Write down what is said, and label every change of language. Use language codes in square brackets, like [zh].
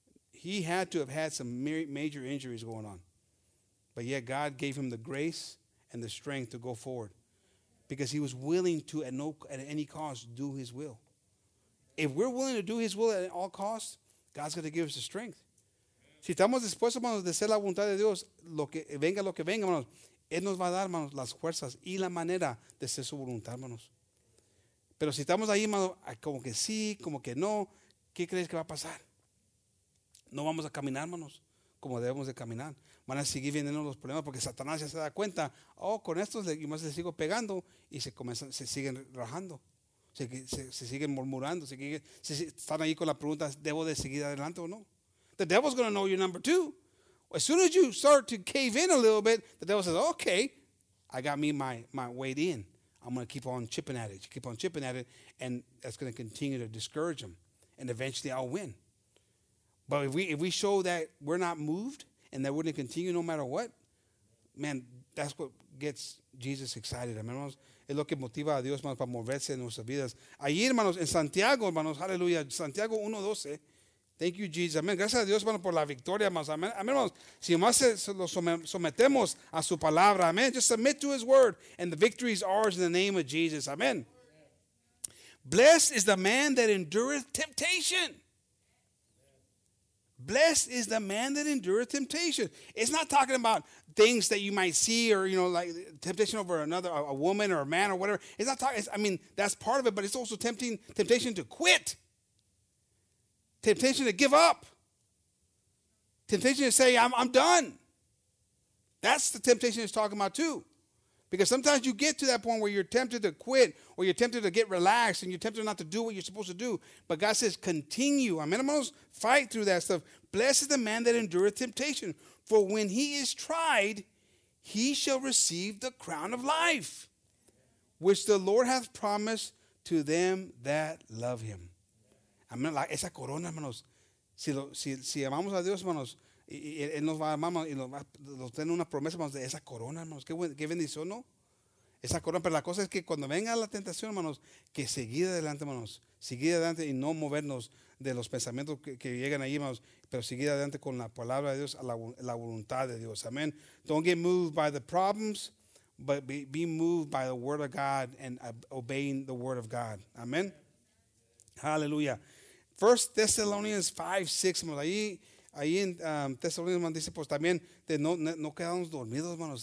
[en] He had to have had some major injuries going on. But yet God gave him the grace and the strength to go forward because he was willing to, at any cost, do his will. If we're willing to do his will at all costs, God's going to give us the strength. [es] Si estamos dispuestos, hermanos, de hacer la voluntad de Dios, lo que venga, hermanos, Él nos va a dar, hermanos, las fuerzas y la manera de hacer su voluntad, hermanos. Pero si estamos ahí, hermanos, como que sí, como que no, ¿qué crees que va a pasar? No vamos a caminar, hermanos, como debemos de caminar. Van a seguir viniendo los problemas porque Satanás ya se da cuenta. Oh, con estos más les sigo pegando y se siguen rajando. Se siguen murmurando. Están ahí con la pregunta, ¿debo de seguir adelante o no? [en] The devil's going to know your number two. As soon as you start to cave in a little bit, the devil says, okay, I got me my weight in. I'm going to keep on chipping at it. You keep on chipping at it, and that's going to continue to discourage him. And eventually I'll win. But if we show that we're not moved and that we're going to continue no matter what, man, that's what gets Jesus excited. [es] Amen, hermanos. Es lo que motiva a Dios, hermanos, para moverse en nuestras vidas. Ahí, hermanos, en Santiago, hermanos, aleluya, Santiago 1:12. [en] Thank you, Jesus. [es] Amen. Gracias a Dios, hermano, por la victoria, hermanos. Amen, hermanos. Si más lo sometemos a su palabra, amen. [en] Just submit to his word, and the victory is ours in the name of Jesus. Amen. Blessed is the man that endureth temptation. Blessed is the man that endureth temptation. It's not talking about things that you might see or, you know, like temptation over another, a woman or a man or whatever. It's not talking, I mean, that's part of it, but it's also temptation to quit. Temptation to give up. Temptation to say, I'm done. That's the temptation he's talking about too. Because sometimes you get to that point where you're tempted to quit or you're tempted to get relaxed and you're tempted not to do what you're supposed to do. But God says, continue. Amen. Fight through that stuff. Blessed is the man that endureth temptation. For when he is tried, he shall receive the crown of life, which the Lord hath promised to them that love him. [es] Amén, esa corona, hermanos, si amamos a Dios, hermanos, y Él nos va a amar, y nos tiene una promesa, hermanos, de esa corona, hermanos, qué bendición, ¿no? Esa corona, pero la cosa es que cuando venga la tentación, hermanos, que seguir adelante y no movernos de los pensamientos que llegan ahí, hermanos, pero seguir adelante con la palabra de Dios, la voluntad de Dios, amén. [en] Don't get moved by the problems, but be moved by the word of God and obeying the word of God, amén. Hallelujah. 1 Thessalonians 5:6, hermanos. [es] Ahí en Thessalonians, hermanos, dice, pues también de no quedamos dormidos, hermanos.